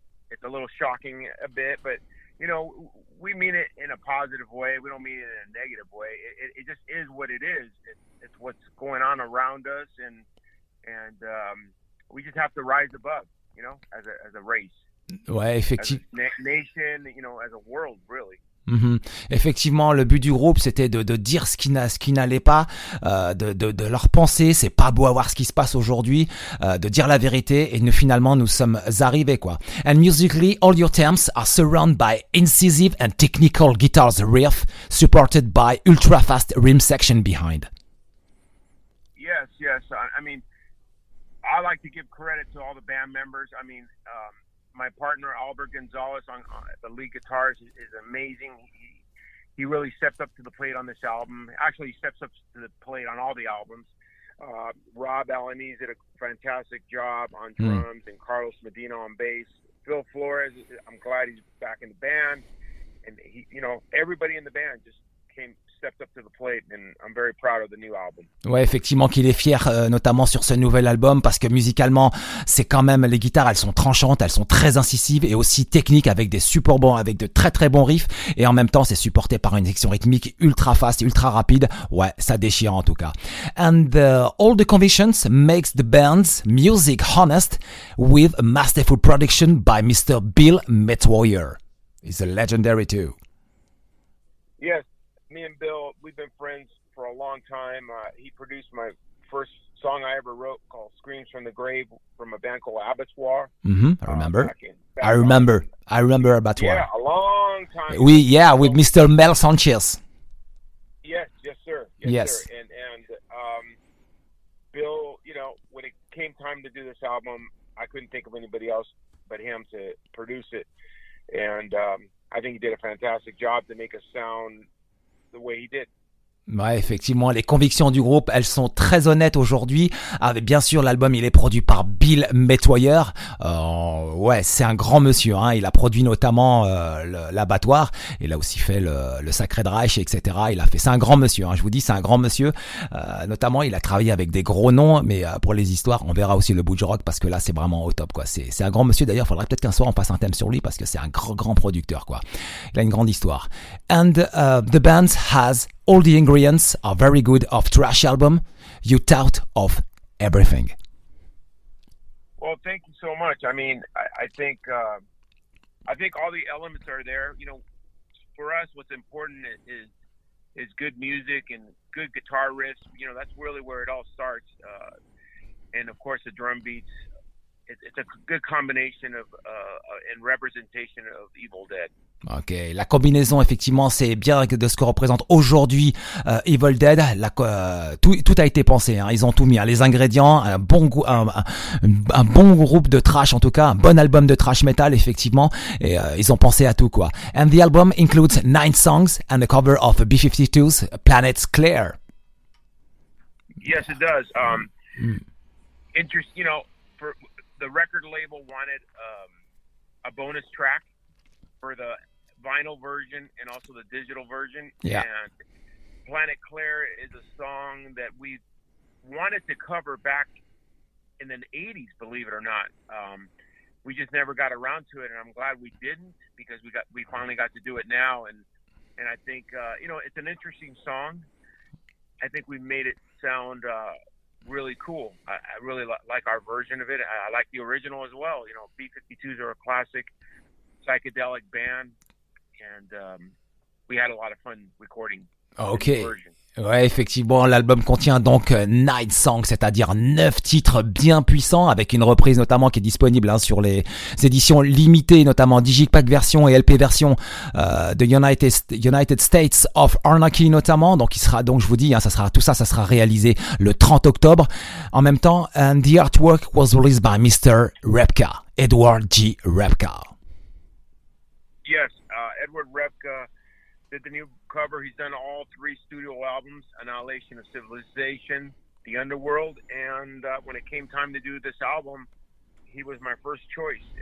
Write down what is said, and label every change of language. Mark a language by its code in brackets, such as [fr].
[en] It's a little shocking a bit, but you know, we mean it in a positive way. We don't mean it in a negative way. It just is what it is. It's what's going on around us, and we just have to rise above, you know, as a race. [fr] Ouais, effectivement. [en] As a nation, you know, as a world, really. Mmh. [fr] Effectivement, le but du groupe, c'était de dire ce qui n'allait pas, de leur penser, c'est pas beau à voir ce qui se passe aujourd'hui, de dire la vérité, et finalement, nous sommes arrivés, quoi. [en] And musically, all your terms are surrounded by incisive and technical guitars riff, supported by ultra-fast rim section behind. Yes, yes. I mean, I like to give credit to all the band members. I mean, my partner Albert Gonzalez on the lead guitarist is amazing. He really steps up to the plate on this album. Actually, he steps up to the plate on all the albums. Rob Alaniz did a fantastic job on drums and Carlos Medina on bass. Phil Flores, I'm glad he's back in the band. And he, you know, everybody in the band just came. Stepped up to the plate and I'm very proud of the new album. [fr] Ouais, effectivement qu'il est fier notamment sur ce nouvel album parce que musicalement, c'est quand même les guitares, elles sont tranchantes, elles sont très incisives et aussi techniques avec des supports bons avec de très très bons riffs et en même temps, c'est supporté par une section rythmique ultra fast, ultra rapide. Ouais, ça déchire en tout cas. [en] And all the convictions makes the band's music honest with a masterful production by Mr. Bill Metoyer. He's a legendary too. Yes. Me and Bill, we've been friends for a long time. He produced my first song I ever wrote called Screams from the Grave from a band called Abattoir. Mm-hmm. I remember. I remember Abattoir. Yeah, a long time ago. With Mr. Mel Sanchez. Yes, yes, sir. Yes, sir. And Bill, you know, when it came time to do this album, I couldn't think of anybody else but him to produce it. And I think he did a fantastic job to make us sound the way he did. [fr] Ouais, effectivement, les convictions du groupe, elles sont très honnêtes aujourd'hui. Avec bien sûr, l'album, il est produit par Bill Metoyer. Ouais, c'est un grand monsieur, hein. Il a produit notamment l'abattoir. Il a aussi fait le Sacred Reich, etc. Il a fait, c'est un grand monsieur, hein. Je vous dis, c'est un grand monsieur. Notamment, il a travaillé avec des gros noms. Mais pour les histoires, on verra aussi le Butch Rock parce que là, c'est vraiment au top, quoi. C'est un grand monsieur. D'ailleurs, faudrait peut-être qu'un soir, on fasse un thème sur lui parce que c'est un grand, grand producteur, quoi. Il a une grande histoire. [en] And the band has all the ingredients are very good of trash album. You doubt of everything. Well, thank you so much. I mean, I think all the elements are there. You know, for us, what's important is good music and good guitar riffs. You know, that's really where it all starts. And of course, the drum beats. It's a good combination of and representation of Evil Dead. [fr] Ok, la combinaison effectivement c'est bien de ce que représente aujourd'hui Evil Dead. Tout a été pensé, hein. Ils ont tout mis, hein. Les ingrédients, un bon groupe de trash, en tout cas un bon album de trash metal effectivement, et ils ont pensé à tout, quoi. [en] And the album includes 9 songs and the cover of B-52's Planets Clear. Yes, it does. Interesting, you know, for the record label wanted a bonus track for the vinyl version and also the digital version. Yeah. And Planet Claire is a song that we wanted to cover back in the 80s, believe it or not. We just never got around to it, and I'm glad we didn't, because we finally got to do it now. And I think, you know, it's an interesting song. I think we made it sound really cool. I really like our version of it. I like the original as well. You know, B-52s are a classic psychedelic band, and we had a lot of fun recording. Okay. [fr] Ouais, effectivement, l'album contient donc 9 songs, c'est-à-dire 9 titres bien puissants, avec une reprise notamment qui est disponible, hein, sur les éditions limitées, notamment Digipack version et LP version de United States of Anarchy notamment. Donc il sera, donc je vous dis, hein, ça sera réalisé le 30 octobre. En même temps, [en] and the artwork was released by Mr. Repka, Edward G. Repka. Yes, Edward Repka did the new cover. He's done all 3 studio albums, Annihilation of Civilization, The Underworld, and when it came time to do this album, he was my first choice.